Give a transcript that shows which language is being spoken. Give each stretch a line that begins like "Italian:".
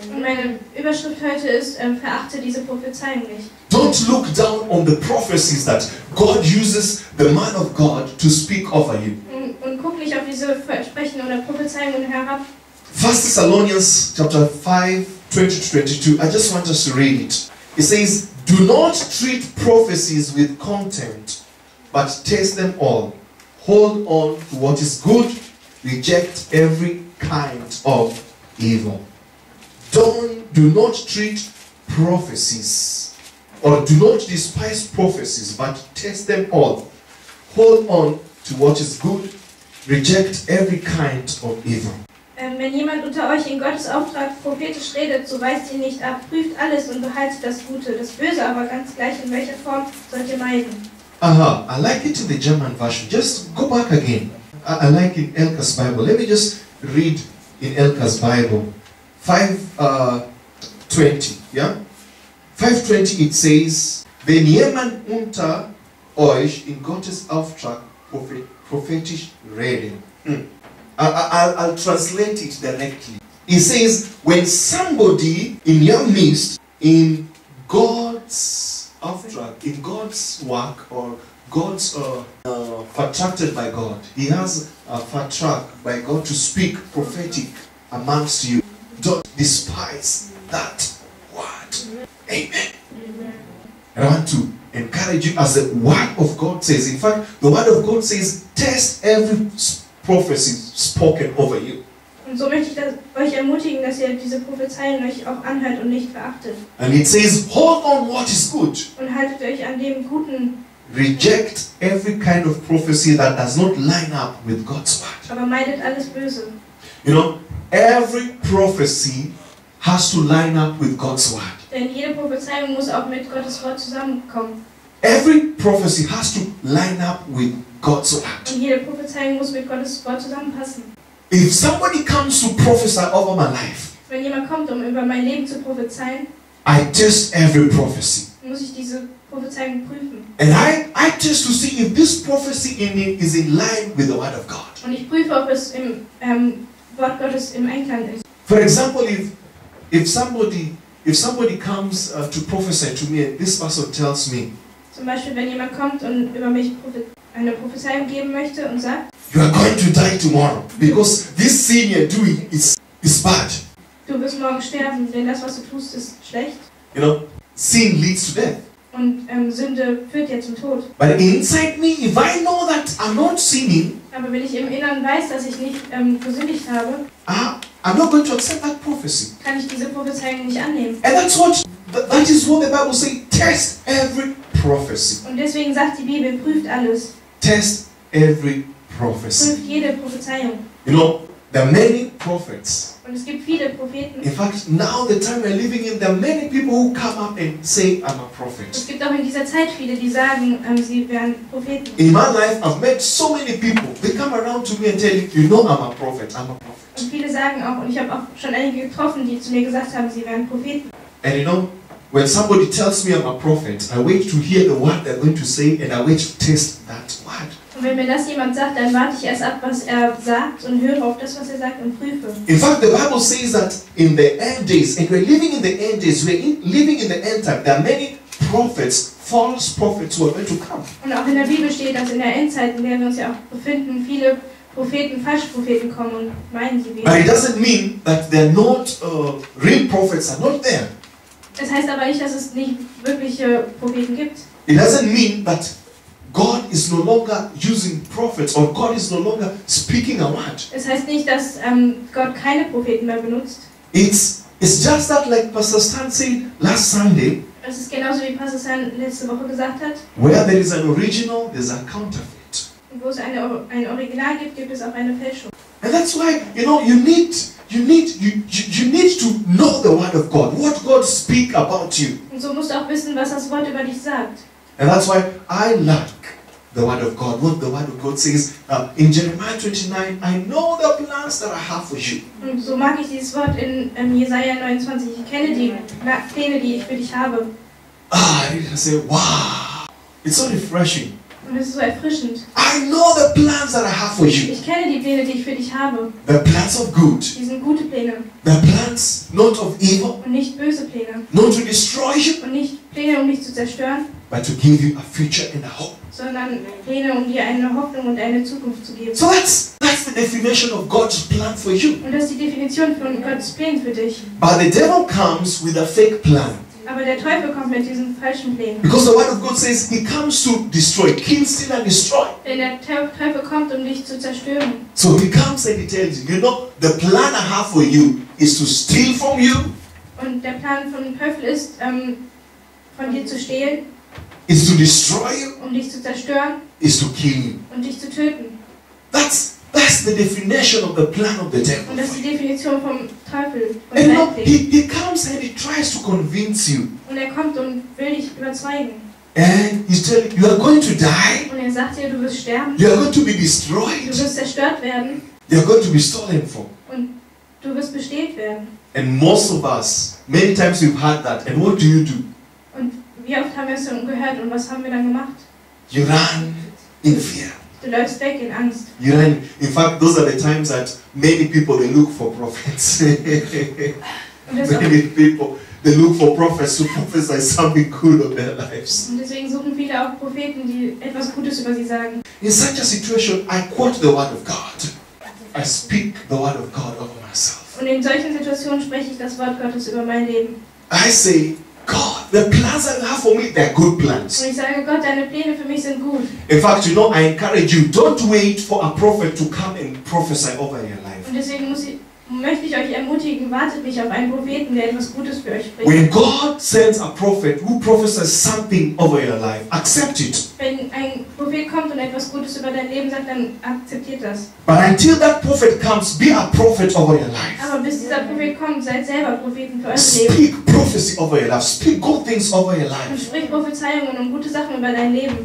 German: Und meine Überschrift heute ist: Verachte diese Prophezeiung nicht.
English: Don't look down on the prophecies that God uses the man of God to speak over you.
German: Und guck nicht auf diese Versprechen oder Prophezeiungen herab.
English: 1 Thessalonians chapter 5:20-22. I just want us to read it. It says, "Do not treat prophecies with contempt, but test them all. Hold on to what is good. Reject every kind of evil." Do not treat prophecies. Or do not despise prophecies, but test them all. Hold on to what is good. Reject every kind of evil.
German: Wenn jemand unter euch in Gottes Auftrag prophetisch redet, so weist ihn nicht ab. Prüft alles und behaltet das Gute. Das Böse aber ganz gleich in welcher Form sollt ihr meiden.
English: Aha, I like it in the German version. Just go back again. I like in Elka's Bible. Let me just read in Elka's Bible. 5:20, yeah? 5:20, it says,
German: "Wenn jemand unter euch in Gottes Auftrag prophetisch reden."
English: I'll translate it directly. It says, when somebody in your midst, in God's Auftrag, in God's work, or God's contracted by God, he has a contract by God to speak prophetic amongst you, don't despise that word. Amen. And I want to encourage you, as the word of God says, in fact, the word of God says, test every prophecy spoken over you.
German: Und so möchte ich das, euch ermutigen, dass ihr diese Prophezeiung euch auch anhört und nicht verachtet.
English: And it says, hold on what is good.
German: Und haltet euch an dem Guten.
English: Reject every kind of prophecy that does not line up with God's word.
German: Aber meidet alles Böse.
English: You know, every prophecy has to line up with God's word.
German: Denn jede Prophezeiung muss auch mit Gottes Wort zusammenkommen.
English: Every prophecy has to line up with God's word.
German: Und jede Prophezeiung muss mit Gottes Wort zusammenpassen.
English: If somebody comes to prophesy over my life,
German: wenn jemand kommt, um über mein Leben zu prophezeien,
English: I test every prophecy.
German: Muss ich diese Prophezeiung prüfen.
English: And I test to see if this prophecy in me is in line with the word of God.
German: Und ich prüfe, ob es im Wort Gottes im Einklang ist.
English: For example, if somebody comes to prophesy to me, and this person tells me,
German: zum Beispiel, wenn jemand kommt und über mich eine Prophezeiung geben möchte und sagt,
English: "You are going to die tomorrow because this sin you're doing is bad."
German: Du wirst morgen sterben, denn das, was du tust, ist schlecht.
English: You know, sin leads to death.
German: Und Sünde führt ja zum Tod.
English: But inside me, if I know that I'm not sinning,
German: aber wenn ich im Inneren weiß, dass ich nicht gesündigt habe,
English: I'm not going to accept that prophecy.
German: Kann ich diese Prophezeiung nicht annehmen.
English: And that is what the Bible says: test every prophecy.
German: Und deswegen sagt die Bibel: prüft alles.
English: Test every prophecy.
German: Prüft jede Prophezeiung.
English: You know, there are many prophets.
German: Und es gibt viele Propheten.
English: In fact, now the time we're living in, there are many people who come up and say, "I'm a prophet."
German: Es gibt auch in dieser Zeit viele, die sagen, sie wären Propheten.
English: In my life, I've met so many people. They come around to me and tell you, "You know, I'm a prophet. I'm a prophet."
German: Und viele sagen auch, und ich habe auch schon einige getroffen, die zu mir gesagt haben, sie wären Propheten.
English: And you know, when somebody tells me I'm a prophet, I wait to hear the word they're going to say, and I wait to test that word.
German: Und wenn mir das jemand sagt, dann warte ich erst ab, was er sagt, und höre auf das, was er sagt, und prüfe.
English: In fact, the Bible says that in the end days, and we're living in the end days, living in the end time, there are many prophets, false prophets who are going to come.
German: Und auch in der Bibel steht, dass in der Endzeit, in der wir uns ja auch befinden, viele Propheten, falsche Propheten kommen und meinen sie wieder.
English: But it doesn't mean that they're not real prophets are not there.
German: Das heißt aber nicht, dass es nicht wirkliche Propheten gibt.
English: It doesn't mean that God is no longer using prophets, or God is no longer speaking a word.
German: Es heißt nicht, dass Gott keine Propheten mehr benutzt.
English: It's just that, like Pastor Stan said last Sunday.
German: Es ist genauso wie Pastor Stan letzte Woche gesagt hat.
English: Where there is an original, there's a counterfeit.
German: Wo es ein Original gibt, gibt es auch eine Fälschung.
English: And that's why, you know, you need to know the word of God. What God speak about you.
German: Und so musst du auch wissen, was das Wort über dich sagt.
English: And that's why I like the word of God. What the word of God says in Jeremiah 29, I know the plans that I have for you.
German: Und so mag ich dieses Wort in Jesaja 29. Ich kenne die Pläne, die ich für dich habe.
English: I say, wow, it's so refreshing.
German: Und es ist so erfrischend.
English: I know the plans that I have for you.
German: Ich kenne die Pläne, die ich für dich habe.
English: The plans of good.
German: Die sind gute Pläne.
English: The plans not of evil.
German: Und nicht böse Pläne.
English: Not to destroy you.
German: Und nicht Pläne, um dich zu zerstören.
English: But to give you a future and a hope.
German: Sondern Pläne, um dir eine Hoffnung und eine Zukunft zu geben.
English: So that's the definition of God's plan for you.
German: Und das ist die Definition von Gottes Plan für dich.
English: But the devil comes with a fake plan.
German: Aber der Teufel kommt mit diesen falschen Plänen.
English: Because the word of God says he comes to destroy, kill, steal and destroy.
German: Denn der Teufel kommt, um dich zu zerstören.
English: So he comes and he tells you, you know, the plan I have for you is to steal from you.
German: Und der Plan vom Teufel ist, von dir zu stehlen.
English: Is to destroy you.
German: Um dich zu zerstören.
English: Is to kill you.
German: Und dich zu töten.
English: That's the definition of the plan of the devil.
German: Und das ist die Definition vom Teufel.
English: And no, he comes and he tries to convince you.
German: Und er kommt und will dich überzeugen.
English: And he's telling you, you are going to die.
German: Und er sagt dir, du wirst sterben.
English: You are going to be destroyed.
German: Du wirst zerstört werden.
English: You are going to be stolen from.
German: Und du wirst bestehlt werden.
English: And most of us, many times we've heard that. And what do you do?
German: Und wie oft haben wir es dann gehört und was haben wir dann gemacht?
English: You run in fear.
German: Du läufst weg in Angst.
English: You run. In fact, those are the times that many people they look for prophets. Many people they look for prophets to prophesy something good of their lives.
German: Und deswegen suchen viele auch Propheten, die etwas Gutes über sie sagen.
English: In such a situation, I quote the word of God. I speak the word of God over myself.
German: Und in solchen Situationen spreche ich das Wort Gottes über mein Leben.
English: I say, God, the plans I have for me, they're good plans.
German: Und ich sage, Gott, deine Pläne für mich sind gut.
English: In fact, you know, I encourage you, don't wait for a prophet to come and prophesy over your life.
German: Und deswegen möchte ich euch ermutigen, wartet nicht auf einen Propheten, der etwas Gutes für euch spricht.
English: When God sends a prophet who prophesies something over your life, accept it.
German: Wenn ein Prophet kommt und etwas Gutes über dein Leben sagt, dann akzeptiert das.
English: But until that prophet comes, be a prophet over your life.
German: Aber bis dieser Prophet kommt, seid selber Propheten für euer
English: Speak
German: Leben.
English: Speak prophecy over your life. Speak good things over your life.
German: Und sprich Prophezeiungen und gute Sachen über dein Leben.